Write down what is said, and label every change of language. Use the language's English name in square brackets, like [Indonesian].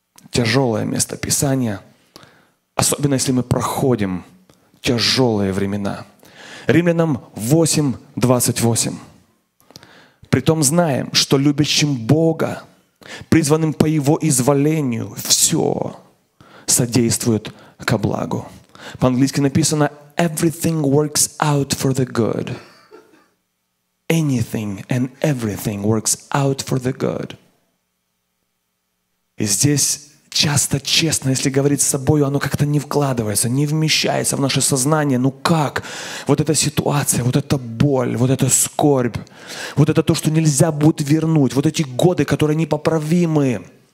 [Russian] Тяжелое место Писания, особенно если мы проходим тяжелые времена. Римлянам 8:28. Притом знаем, что любящим Бога, призванным по Его изволению, все содействует ко благу. По-английски написано [English] «Everything works out for the good». Anything and everything works out for the good. [Russian] И здесь часто, честно, если говорить с собой, оно как-то не вкладывается, не вмещается в наше сознание. Ну как? Вот эта ситуация, вот эта боль, вот эта скорбь, вот это то, что нельзя будет вернуть, вот эти годы, которые непоправимы.